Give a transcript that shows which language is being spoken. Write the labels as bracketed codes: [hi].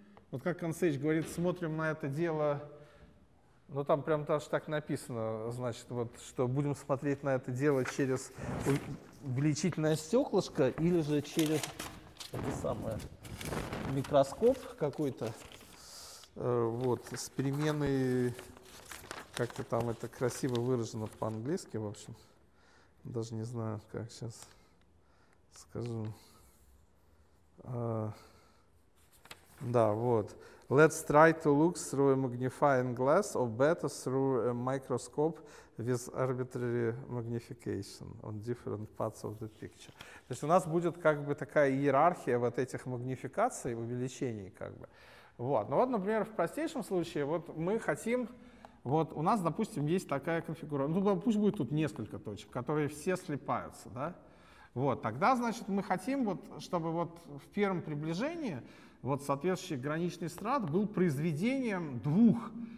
[ru] Вот как Консейч говорит, смотрим на это дело. Ну там прям даже так написано, значит, вот что будем смотреть на это дело через увеличительное стеклышко или же через это самое, микроскоп какой-то. Вот, с переменной, как-то там это красиво выражено по-английски, в общем. Даже не знаю, как сейчас скажу. Да, вот. [en] Let's try to look through a magnifying glass or better through a microscope with arbitrary magnification on different parts of the picture. [ru] То есть у нас будет как бы такая иерархия вот этих магнификаций, увеличений как бы. Вот. Ну вот, например, в простейшем случае вот мы хотим, вот у нас, допустим, есть такая конфигурация. Ну пусть будет тут несколько точек, которые все слипаются, да? Вот, тогда, значит, мы хотим, вот, чтобы вот в первом приближении вот соответствующий граничный страт был произведением двух.